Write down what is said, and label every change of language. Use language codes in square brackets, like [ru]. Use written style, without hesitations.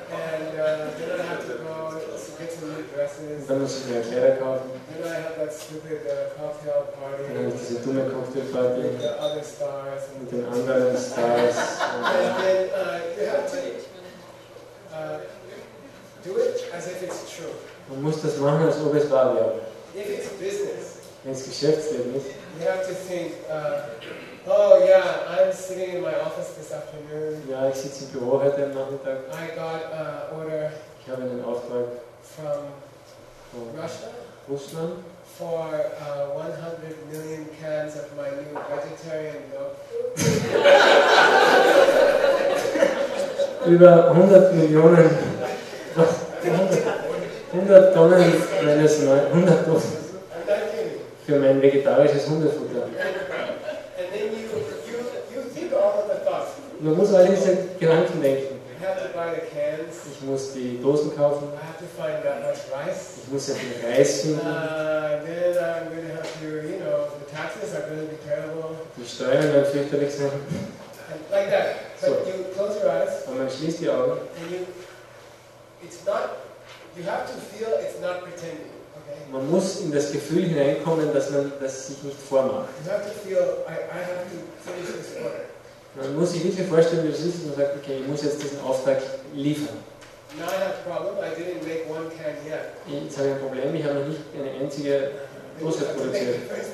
[en] And then I have to go to get some new dresses. [de] Dann muss ich mir Kleider kaufen. [en] Then I have that stupid cocktail party. [de] Dann habe ich diese dumme Cocktailparty. Mit den anderen Stars. [en] And then you have to do it as if it's true. [de] Man muss das machen, als ob es wahr wäre. [en] If it's business. [de] Wenn es Geschäftsleben ist. [en] You have to think, I'm sitting in my office this afternoon. [de] Ja, ich sitze im Büro heute Nachmittag. [en] I got an order. [de] Ich habe einen Auftrag. [en] From Russia. [de] Russland. [en] For 100 million cans of my new vegetarian milk. [de] Über 100 Millionen. 100 Tonnen meines neuen. 100 Tonnen. Für mein vegetarisches Hundefutter. [en] And then you think all of the thoughts. [de] Man muss all diese Gedanken denken. [en] I have to buy the cans. [de] Ich muss die Dosen kaufen. [en] I have to find that much rice. [de] Ich muss ja viel Reis finden. [en] Then I'm gonna have to, the taxes are gonna be terrible. [de] Die Steuern werden fürchterlich sein. [en] Like that. But so. You close your eyes. [de] Und man schließt die Augen. [en] And you have to feel it's not pretending. [de] Man muss in das Gefühl hineinkommen, dass man das sich nicht vormacht. [en] You have to feel, I have to finish this order. [de] Man muss sich wirklich vorstellen, wie es ist, und man sagt, okay, ich muss jetzt diesen Auftrag liefern. [en] Now I have a problem, I didn't make one can yet. [de] Jetzt habe ich ein Problem, ich habe noch nicht eine einzige Dose produziert.